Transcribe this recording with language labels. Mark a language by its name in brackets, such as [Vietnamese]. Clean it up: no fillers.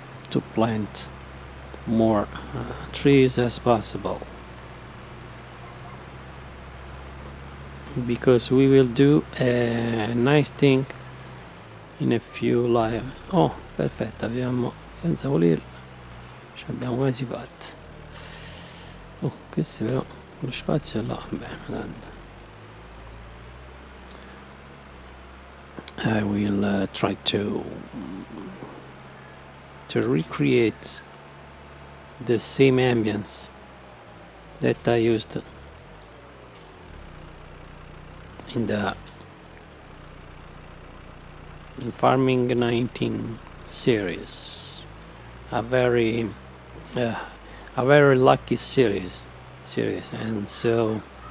[English] To plant more trees as possible, because we will do a nice thing in a few live. [Italian] Oh, perfetto, abbiamo senza volerlo, ci abbiamo quasi fatto. Oh, questo però lo spazio là, beh, tanto. [English] I will try to to recreate the same ambience that I used in the Farming 19 series, a very lucky series, and so